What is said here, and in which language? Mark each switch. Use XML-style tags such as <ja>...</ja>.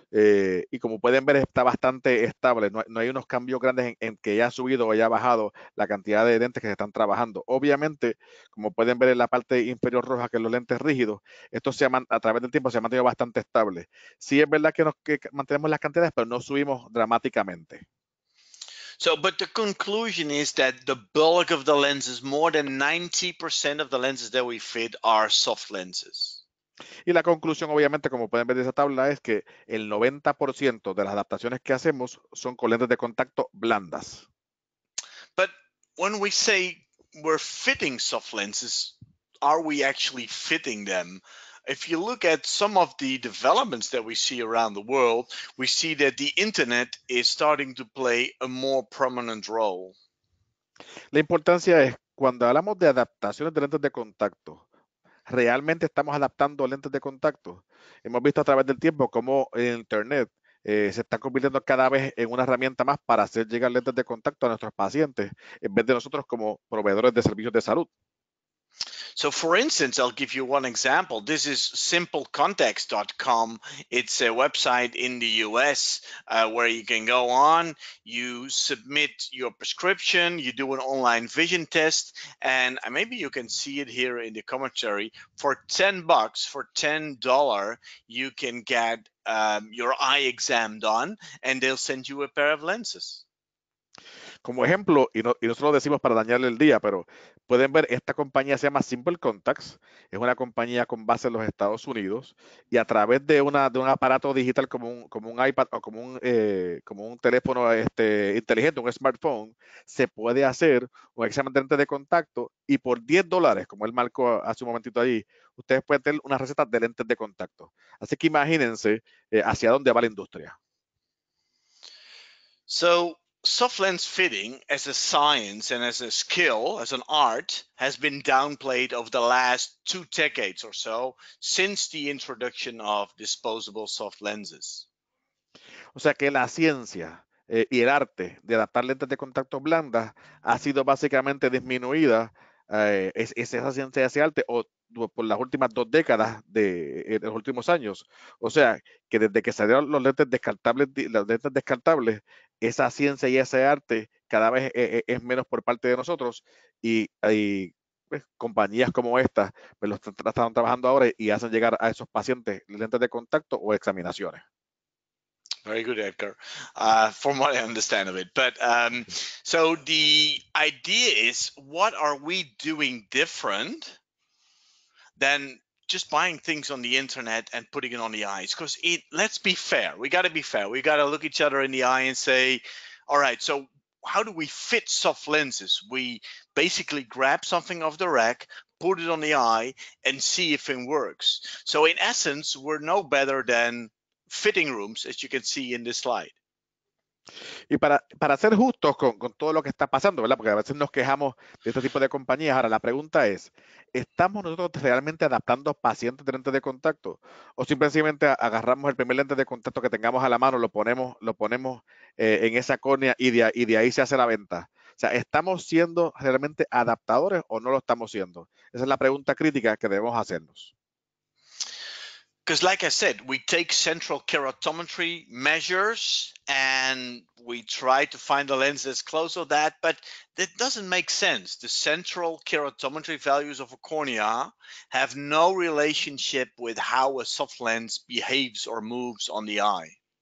<es>Y como pueden ver, está bastante estable. No hay unos cambios grandes en que haya subido o haya bajado la cantidad de lentes que se están trabajando. Obviamente, como pueden ver en la parte inferior roja, que los lentes rígidos, esto se a través del tiempo se ha mantenido bastante estable. Sí, es verdad que mantenemos las cantidades, pero no subimos dramáticamente.</es> <en>So, but the conclusion is that the bulk of the lenses, more than 90% of the lenses that we fit, are soft lenses.</en> <es>Y la conclusión, obviamente, como pueden ver de esa tabla, es que el 90% de las adaptaciones que hacemos son con lentes de contacto blandas.</es> <en>But when we say we're fitting soft lenses, are we actually fitting them? If you look at some of the developments that we see around the world, we see that the internet is starting to play a more prominent role.</en> <es>La importancia es, cuando hablamos de adaptaciones de lentes de contacto, ¿realmente estamos adaptando lentes de contacto? Hemos visto a través del tiempo cómo el internet se está convirtiendo cada vez en una herramienta más para hacer llegar lentes de contacto a nuestros pacientes, en vez de nosotros como proveedores de servicios de salud.</es> <en>So, for instance, I'll give you one example. This is simplecontacts.com. It's a website in the US where you can go on, you submit your prescription, you do an online vision test, and maybe you can see it here in the commentary. For $10, for $10, you can get your eye exam done, and they'll send you a pair of lenses.</en> <es>Como ejemplo, y nosotros lo decimos para dañarle el día, pero pueden ver, esta compañía se llama Simple Contacts, es una compañía con base en los Estados Unidos, y a través de un aparato digital como un iPad o como un teléfono inteligente, un smartphone, se puede hacer un examen de lentes de contacto, y por $10, como él marcó hace un momentito allí, ustedes pueden tener una receta de lentes de contacto. Así que imagínense hacia dónde va la industria.</es> <en>So, soft lens fitting as a science and as a skill, as an art, has been downplayed over the last two decades or so since the introduction of disposable soft lenses.</en> <es>O sea que la ciencia y el arte de adaptar lentes de contacto blandas ha sido básicamente disminuida, esa ciencia y ese arte, o por las últimas dos décadas de los últimos años. O sea, que desde que salieron los lentes descartables, esa ciencia y ese arte cada vez es menos por parte de nosotros, y hay compañías como esta que lo están trabajando ahora y hacen llegar a esos pacientes lentes de contacto o examinaciones.</es> <en>Very good, Edgar, from what I understand of it. But so the idea is, what are we doing different than just buying things on the internet and putting it on the eyes? Because let's be fair. We got to be fair. We got to look each other in the eye and say, all right, so how do we fit soft lenses? We basically grab something off the rack, put it on the eye, and see if it works. So in essence, we're no better than fitting rooms, as you can see in this slide.</en> <es>Y para ser justos con todo lo que está pasando, ¿verdad? Porque a veces nos quejamos de este tipo de compañías. Ahora, la pregunta es, ¿estamos nosotros realmente adaptando pacientes de lentes de contacto? ¿O simplemente agarramos el primer lente de contacto que tengamos a la mano, lo ponemos en esa córnea y de ahí se hace la venta? O sea, ¿estamos siendo realmente adaptadores o no lo estamos siendo? Esa es la pregunta crítica que debemos hacernos.</es> <en>Because, like I said, we take central keratometry measures and we try to find the lens that's close to that, but that doesn't make sense. The central keratometry values of a cornea have no relationship with how a soft lens behaves or moves on the eye.</en>